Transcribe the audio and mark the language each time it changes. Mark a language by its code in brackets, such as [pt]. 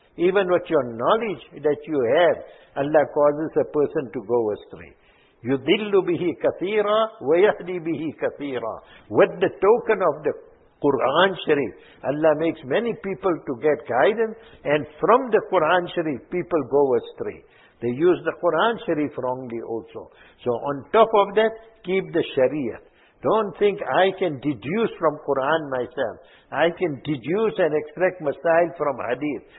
[en] Even with your knowledge that you have, Allah causes a person to go astray. [ar] يُذِلُّ بِهِ كَثِيرًا وَيَهْدِي بِهِ كَثِيرًا. [en] With the token of the Quran Sharif, Allah makes many people to get guidance, and from the Quran Sharif, people go astray. They use the Quran Sharif wrongly also. So on top of that, keep the Sharia. Don't think I can deduce from Quran myself. I can deduce and extract masail from Hadith.